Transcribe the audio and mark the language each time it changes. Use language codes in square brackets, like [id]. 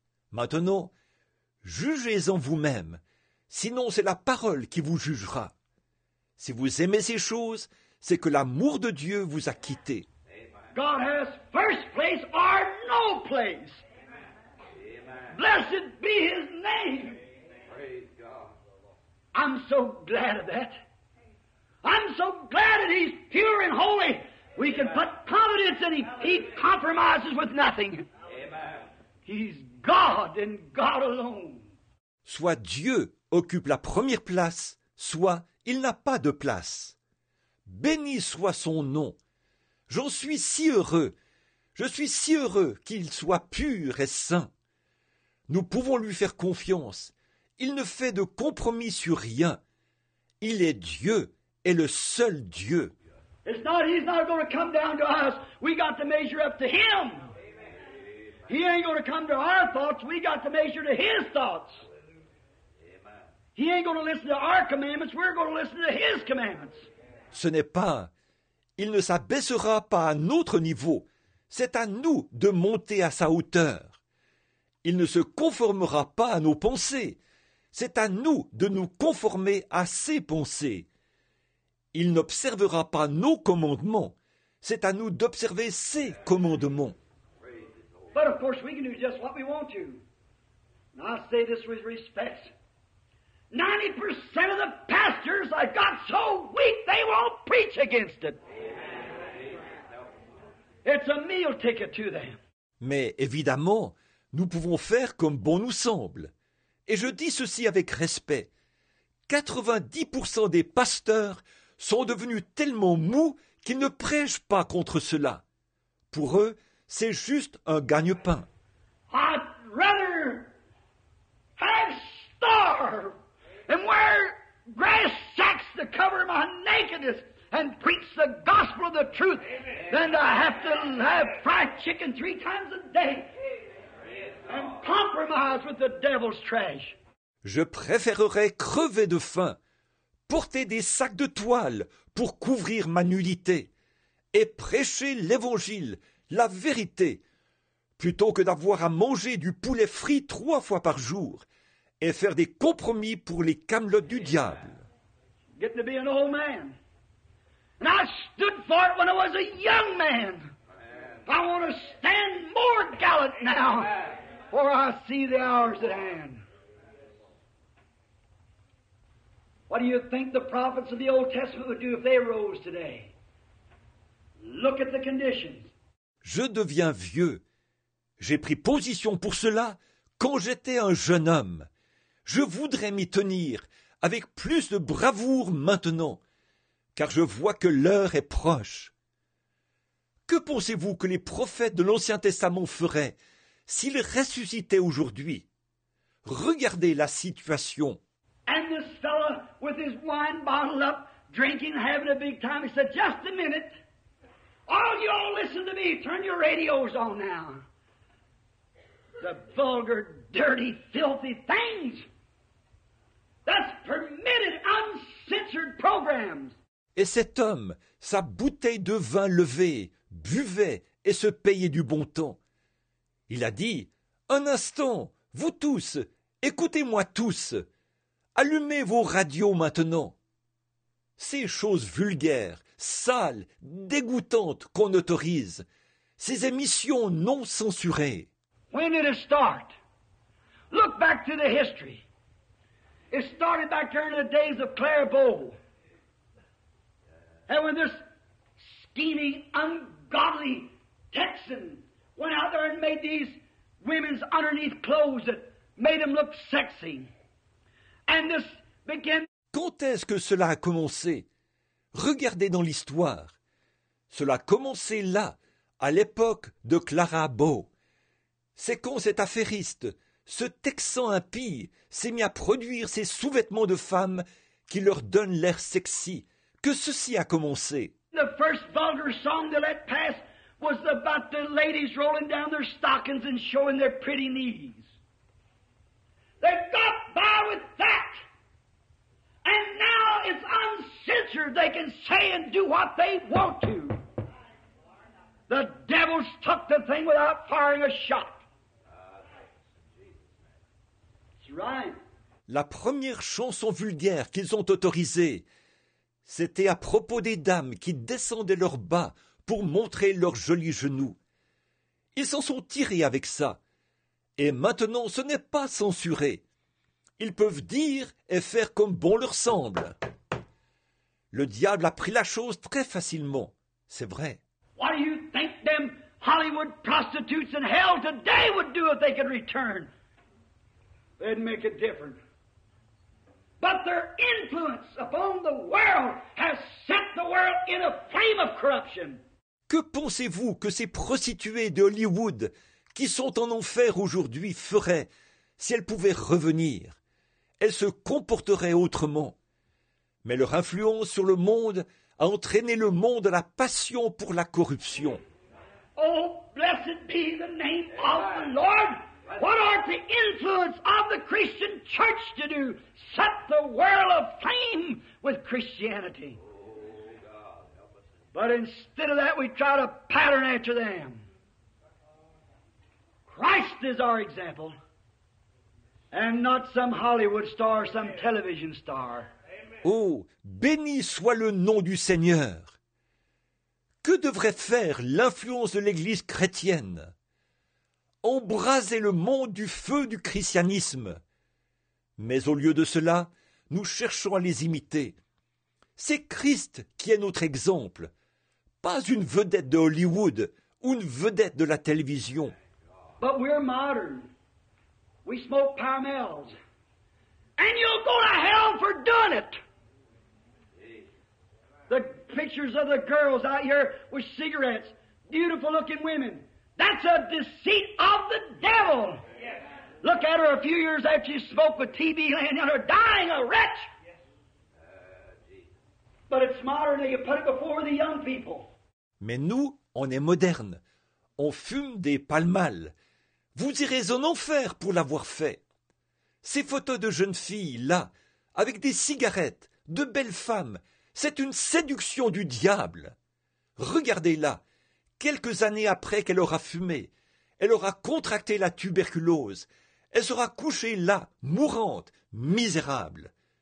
[fr] Maintenant, jugez-en vous-même, sinon c'est la parole qui vous jugera. Si vous aimez ces choses, c'est que l'amour de Dieu vous a quitté. » [en] God has first place or no place. Amen. Blessed be His name. Praise God. I'm so glad of that. I'm so glad that he's pure and holy. We can put confidence in him. He compromises with nothing. He's God and God alone. [fr] Soit Dieu occupe la première place, soit il n'a pas de place. Béni soit son nom. J'en suis si heureux. Je suis si heureux qu'il soit pur et saint. Nous pouvons lui faire confiance. Il ne fait de compromis sur rien. Il est Dieu et le seul Dieu. [en] He's not going to come down to us. We got to measure up to him. He ain't going to come to our thoughts. We got to measure to his thoughts. He ain't going to listen to our commandments. We're going to listen to his commandments. [fr] Ce n'est pas. Il ne s'abaissera pas à notre niveau. C'est à nous de monter à sa hauteur. Il ne se conformera pas à nos pensées. C'est à nous de nous conformer à ses pensées. Il n'observera pas nos commandements. C'est à nous d'observer ses commandements. [en] But of course we can do just what we want to. And I say this with respect. 90% of the pastors I got so weak they won't preach against it. It's a meal ticket to them. [fr] Mais évidemment, nous pouvons faire comme bon nous semble. Et je dis ceci avec respect. 90% des pasteurs sont devenus tellement mous qu'ils ne prêchent pas contre cela. Pour eux, c'est juste un gagne-pain. [en] I'd rather have starve and wear grass sacks to cover my nakedness and preach the gospel of the truth than to have to have fried chicken 3 times a day and compromise with the devil's trash. [fr] Je préférerais crever de faim, porter des sacs de toile pour couvrir ma nudité et prêcher l'évangile, la vérité, plutôt que d'avoir à manger du poulet frit 3 fois par jour et faire des compromis pour les camelots du diable. [en] Getting to be an old man. And I stood for it when I was a young man. I want to stand more gallant now, for I see the hours at hand. What do you think the prophets of the Old Testament would do if they rose today? Look at the conditions. [fr] Je deviens vieux. J'ai pris position pour cela quand j'étais un jeune homme. Je voudrais m'y tenir avec plus de bravoure maintenant. Car je vois que l'heure est proche. Que pensez-vous que les prophètes de l'Ancien Testament feraient s'ils ressuscitaient aujourd'hui? Regardez la situation. [en] And this fellow with his wine bottle up, drinking, having a big time, he said, just a minute. All you all listen to me, turn your radios on now. The vulgar, dirty, filthy things. That's permitted, uncensored programs. [fr] Et cet homme, sa bouteille de vin levée, buvait et se payait du bon temps. Il a dit, « Un instant, vous tous, écoutez-moi tous, allumez vos radios maintenant. » Ces choses vulgaires, sales, dégoûtantes qu'on autorise, ces émissions non censurées. [en] When did it start? Look back to the history. It started back during the days of Clare Bow. And when this scheming, ungodly Texan went out there and made these women's underneath clothes that made them look sexy. And this began... [fr] Quand est-ce que cela a commencé? Regardez dans l'histoire. Cela a commencé là, à l'époque de Clara Bow. C'est quand cet affairiste, ce Texan impie, s'est mis à produire ces sous-vêtements de femmes qui leur donnent l'air sexy. Que ceci a commencé. [en] The first vulgar song they let pass was about the ladies rolling down their stockings and showing their pretty knees. They got by with that. And now it's uncensored. They can say and do what they want to. The devil's took the thing without firing a shot. It's right. [fr] La première chanson vulgaire qu'ils ont autorisée, c'était à propos des dames qui descendaient leurs bas pour montrer leurs jolis genoux. Ils s'en sont tirés avec ça. Et maintenant, ce n'est pas censuré. Ils peuvent dire et faire comme bon leur semble. Le diable a pris la chose très facilement, c'est vrai. [en] What do you think them Hollywood prostitutes in hell today would do if they could return? They'd make a difference. But their influence upon the world has set the world in a flame of corruption. [fr] Que pensez-vous que ces prostituées de Hollywood qui sont en enfer aujourd'hui feraient si elles pouvaient revenir? Elles se comporteraient autrement. Mais leur influence sur le monde a entraîné le monde à la passion pour la corruption. [en] Oh, blessed be the name of the Lord! What ought the influence of the Christian church to do? Set the world aflame with Christianity. But instead of that, we try to pattern after them. Christ is our example, and not some Hollywood star or some television star. [fr] Oh, béni soit le nom du Seigneur. Que devrait faire l'influence de l'Église chrétienne? Embraser le monde du feu du christianisme. Mais au lieu de cela, nous cherchons à les imiter. C'est Christ qui est notre exemple, pas une vedette de Hollywood ou une vedette de la télévision. [en] But we're modern. We smoke Parmels. And you'll go to hell for doing it. The pictures of the girls out here with cigarettes, beautiful looking women. That's a deceit of the devil. Yes. Look at her a few years after she smoked with TB laying on her, dying a wretch. Yes. But it's modern, and you put it before the young people. [fr] Mais nous, on est moderne. On fume des palmales. Vous irez en enfer pour l'avoir fait. Ces photos de jeunes filles, là, avec des cigarettes, de belles femmes, c'est une séduction du diable. Regardez-la. Quelques années après qu'elle aura fumé, elle aura contracté la tuberculose, elle sera couchée là, mourante, misérable.